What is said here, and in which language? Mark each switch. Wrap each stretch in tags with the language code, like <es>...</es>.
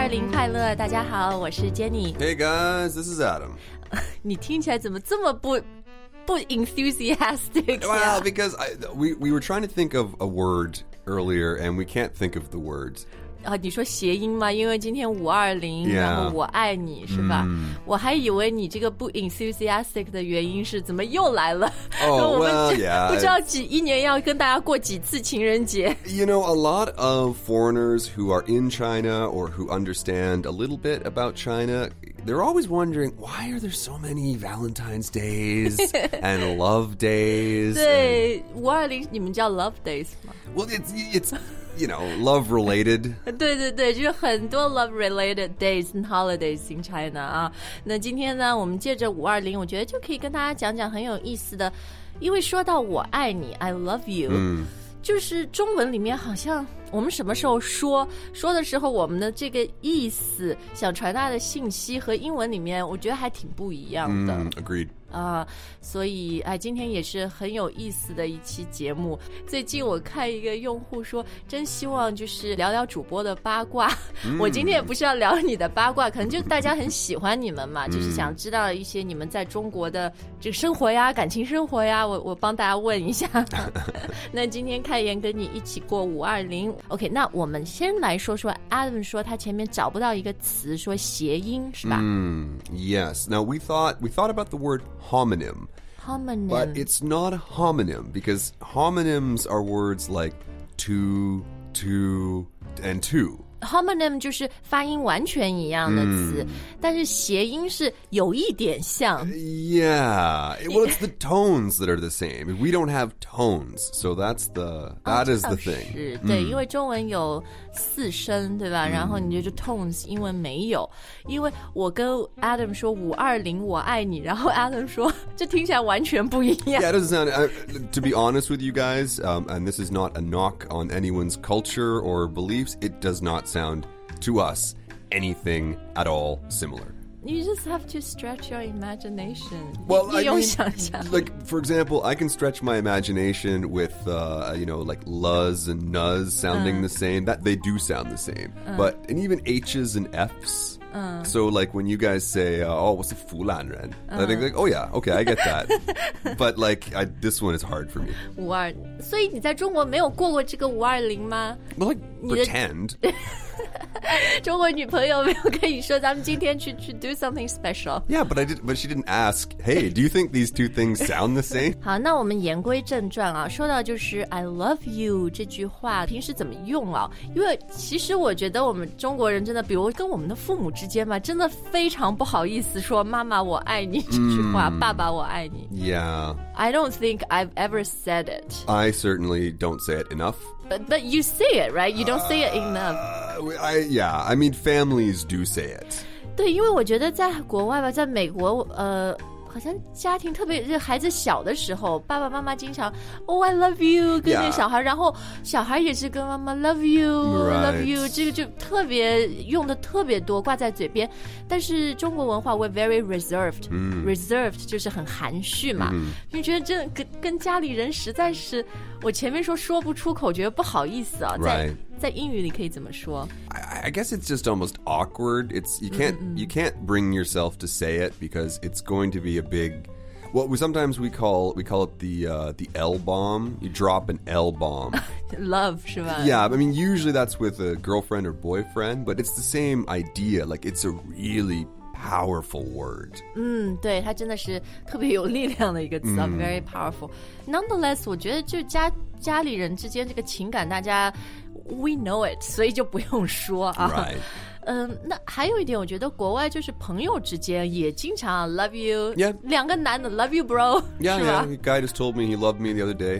<zh>快乐，大家好，我是 Jenny。</zh> <en>Hey guys, this is Adam.</en> <zh>你听起来怎么这么不 enthusiastic?</zh> <en>Well, because we were trying to think of a word earlier, and we can't think of the words.</en> <zh>你说谐音吗？因为今天520，然后我爱你，是吧？我还以为你这个不 enthusiastic 的原因是怎么又来了？哦，不知道几一年要跟大家过几次情人节。</zh> <en>You know, a lot of foreigners who are in China or who understand a little bit about China, they're always wondering, why are there so many Valentine's days and love days?</en> <zh>对 ,520, 你们叫</zh> <en>love days</en> <zh>吗？</zh> <en>Well, it's love related.</en> <zh>对对对，就是很多</zh> <en>love related days and holidays in China</en> <zh>啊。那今天呢，我们借着五二零，我觉得就可以跟大家讲讲很有意思的，因为说到我爱你 ，</zh> <en>I love you，</en> <zh>就是中文里面好像我们什么时候说的时候，我们的这个意思想传达的信息和英文里面，我觉得还挺不一样的。</zh> <en>Agreed.</en> <zh>所以今天也是很有意思的一期节目。最近我看一个用户说，真希望就是聊聊主播的八卦。我今天也不是要聊你的八卦，可能就大家很喜欢你们嘛，就是想知道一些你们在中国的这个生活呀，感情生活呀，我帮大家问一下。那今天开言跟你一起过520。OK, 那我们先来说说 Adam 说他前面找不到一个词说谐音是吧？</zh> <en>Yes. Now we thought about the word homonym. But it's not a homonym, because homonyms are words like two, two, and two.</en> <zh>Homonym 就是发音完全一样的词，但是谐音是有一点像。</zh> <en>Yeah, well, it's the tones that are the same. We don't have tones, so that's the thing.</en> <zh>对，因为中文有四声，对吧？然后你就 tones, 英文没有。因为我跟 Adam 说520我爱你，然后 Adam 说这听起来完全不一样。</zh> <en>Yeah, it doesn't sound, to be honest with you guys, and this is not a knock on anyone's culture or beliefs, it does not sound to us anything at all similar. You just have to stretch your imagination. Well, I mean, like, for example, I can stretch my imagination with, like luz and nuz sounding the same. That they do sound the same. But, and even H's and F's. So like when you guys say, oh, what's a fulan ren? I think like, oh yeah, okay, I get that. But like, this one is hard for me. 520.</en> <zh>所以你在中国没有过过这个520吗?</zh> <en>Well, like, pretend.</en> <zh>中国女朋友没有跟你说咱们今天去</zh> <en>do something special. Yeah, but she didn't ask, hey, do you think these two things sound the same?</en> <zh>好，那我们言归正传啊，说到就是</zh> <en>I love you</en> <zh>这句话平时怎么用啊，因为其实我觉得我们中国人真的，比如跟我们的父母之间嘛，真的非常不好意思说妈妈我爱你这句话，爸爸我爱你。</zh> <en>Yeah. I don't think I've ever said it. I certainly don't say it enough. But you say it, right? You don't say it enough. I mean, families do say it.</en> <zh>对，因为我觉得在国外吧，在美国，好像家庭特别，孩子小的时候，爸爸妈妈经常</zh> <en>Oh, I love you</en> <zh>跟着小孩、</zh> <en>yeah.</en> <zh>然后小孩也是跟妈妈</zh> <en>Love you、 right. Love you</en> <zh>这个就特别用的特别多，挂在嘴边。但是中国文化</zh> <en>We're very reserved、</en> <zh>Reserved 就是很含蓄嘛、就觉得真的 跟家里人实在是，我前面说不出口，觉得不好意思啊、</zh> <en>right.</en> <zh>在英语里可以怎么说？</zh> <en>I guess it's just almost awkward. It's you can't bring yourself to say it because it's going to be a big. What we sometimes we call it the L bomb. You drop an L bomb.</en> <zh>Love, 是吧？</zh> <en>Yeah, I mean usually that's with a girlfriend or boyfriend, but it's the same idea. Like it's a really powerful word.</en> <zh>对，它真的是特别有力量的一个词、</zh> <en>very powerful.</en> <zh>Nonetheless, 我觉得就家里人之间这个情感，大家。</zh> <en>We know it,</en> <zh>所以就不用说啊。那还有一点，我觉得国外就是朋友之间也经常</zh> <en>love you. Yeah.</en> <zh>两个男的</zh> <en>love you, bro. Yeah, yeah. A guy just told me he loved me the other day.</en>